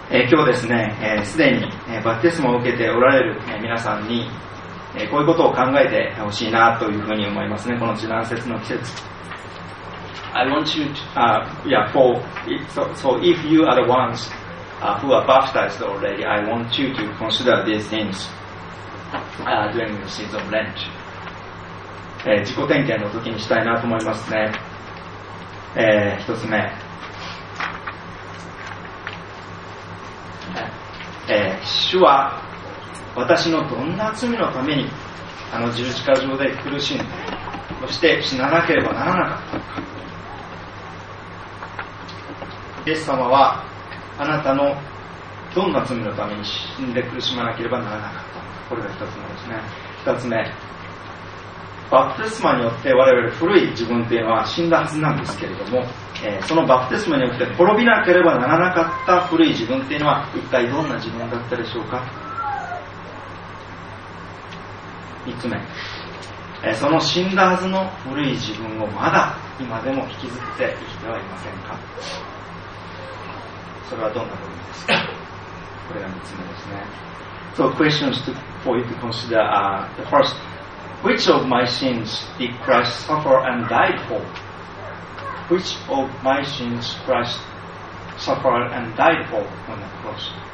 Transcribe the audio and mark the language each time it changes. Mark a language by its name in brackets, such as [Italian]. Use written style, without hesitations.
[Japanese] 今日ですね、すでにバプテスマを受けておられる皆さんに、こういうことを考えてほしいなというふうに思いますね、この受難節の季節。 [English] I want you to, yeah, for, so if you are the ones, who are baptized already, I want you to consider these things, during the season of Lent. [Japanese] 自己点検の時にしたいなと思いますね。一つ目。主は私のどんな罪のためにあの十字架上で苦しんで、そして死ななければならなかったのか。イエス様はあなたのどんな罪のために死んで苦しまなければならなかったのか。これが一つ目ですね。二つ目、バプテスマによって我々古い自分というのは死んだはずなんですけれども、そのバプテスマによって滅びなければならなかった古い自分というのは一体どんな自分だったでしょうか。 3つ目、その死んだはずの古い自分をまだ今でも引きずって生きてはいませんか。それはどんな部分ですか。これが3つ目ですね。 [English] So questions to, for you to consider the firstWhich of my sins did Christ suffer and died for? Which of my sins Christ suffered and died for on the cross?